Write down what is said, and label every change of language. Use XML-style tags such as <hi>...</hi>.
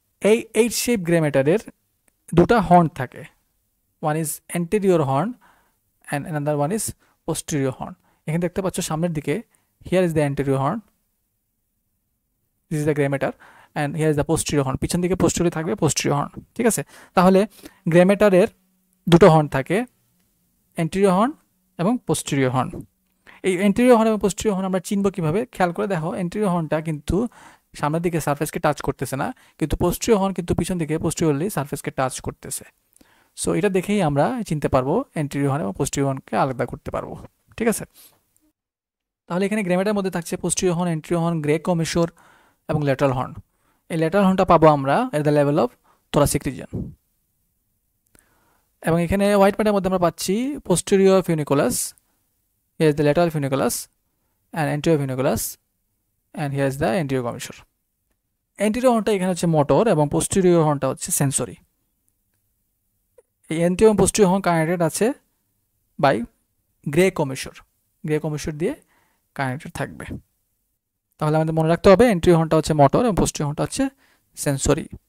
<bn>Ei h shaped gray matter er duta horn thake.</bn> <en>One is anterior horn and another one is posterior horn.</en> <bn>এখানে দেখতে পাচ্ছ সামনের দিকে,</bn> <en>here is the anterior horn, this is the gray matter, and here is the posterior horn.</en> <bn>পিছন দিকে posterior থাকবে, posterior horn. ঠিক আছে, তাহলে gray matter এর দুটো horn থাকে, anterior horn এবং posterior horn. এই anterior horn এবং posterior horn আমরা চিনবো কিভাবে? খেয়াল করে দেখো, anterior hornটা কিন্তু সামনের দিকে surface কে touch করতেছে না, কিন্তু posterior horn কিন্তু পিছন দিকে posteriorly surface কে touch করতেছে. সো এটা দেখেই আমরা চিনতে পারবো anterior horn এবং posterior horn কে আলাদা করতে পারবো. ঠিক আছে, তাহলে এখানে gray matter এর মধ্যে থাকছে posterior horn, anterior horn, gray commissure এবং lateral horn. এই lateral horn টা পাবো আমরা</bn> <en>at the level of thoracic region.</en> <bn>এবং এখানে white matter এর মধ্যে আমরা পাচ্ছি</bn> <en>posterior funiculus, here is the lateral funiculus and anterior funiculus, and here is the anterior commissure.</en> <bn>Anterior horn টা এখানে হচ্ছে motor এবং posterior horn টা হচ্ছে sensory. Anterior posterior horn connected আছে বাই গ্রে কমিশর. গ্রে কমিশর দিয়ে কানেক্টেড থাকবে. তাহলে আমাদের মনে রাখতে হবে এন্টিরিয়র হর্নটা হচ্ছে মোটর এবং পোস্টেরিয়র হর্নটা হচ্ছে সেন্সরি.</bn>